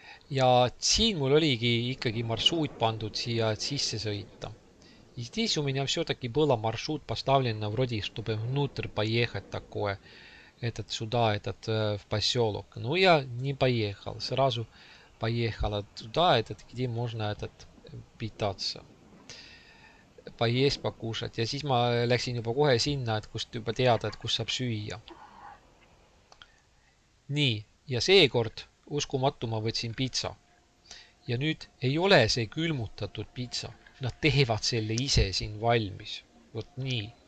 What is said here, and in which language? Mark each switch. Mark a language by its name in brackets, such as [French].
[Estonian] Ja siin mul oligi ikkagi marsruut pandud siia sisse sõita. [Russian] И здесь у меня все-таки было маршрут поставлен вроде, чтобы внутрь поехать такое, этот сюда, этот в поселок. Но я не поехал, сразу поехала туда, этот, где можно этот питаться, поесть, покушать. [Estonian] Ja siis ma läksin juba kohe sinna, et kust juba teada, et kus saab süüa. Nii, ja seekord, uskumatu, ma võtsin pitsa. Ja nüüd ei ole see külmutatud pitsa. Nad teevad selle ise siin valmis. Vot nii.